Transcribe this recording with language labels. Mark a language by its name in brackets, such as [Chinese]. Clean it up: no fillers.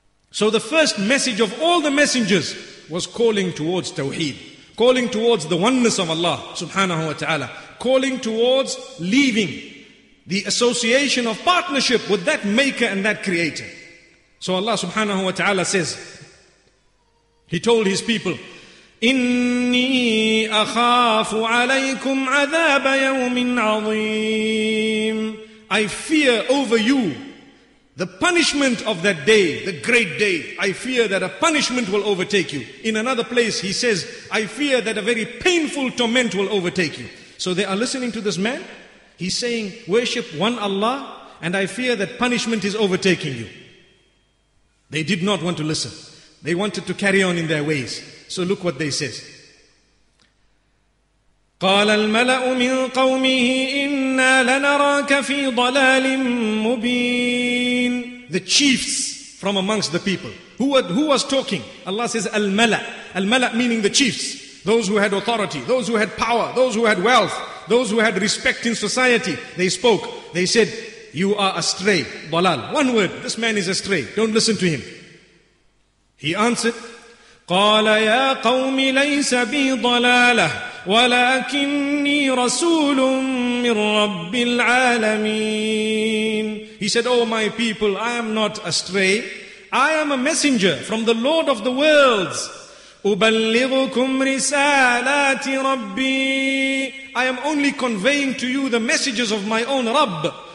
[English] So the first message of all the messengers was calling towards Tawheed, calling towards the oneness of Allah subhanahu wa ta'ala, calling towards leaving the association of partnership with that maker and that creator. So Allah subhanahu wa ta'ala says, he told his people, [Arabic] إني أخاف عليكم عذاب يوم عظيم. [English] I fear over you the punishment of that day, the great day. I fear that a punishment will overtake you. In another place he says, I fear that a very painful torment will overtake you. So they are listening to this man. He's saying, worship one Allah and I fear that punishment is overtaking you. They did not want to listen. They wanted to carry on in their ways. So look what they says. [Arabic] قال الملأ من قومه إنا لنراك في ضلال مبين. [English] The chiefs from amongst the people. Who was talking? Allah says الملأ. الملأ meaning the chiefs. Those who had authority. Those who had power. Those who had wealth. Those who had respect in society. They spoke. They said, you are astray. ضلال. One word. This man is astray. Don't listen to him. He answered, [Arabic] قال يا قوم ليس بي ضلالة ولكني رسول من رب العالمين. [English] He said, Oh my people, I am not astray. I am a messenger from the Lord of the worlds. [Arabic] أبلغكم رسالات ربي. [English] I am only conveying to you the messages of my own Rabb.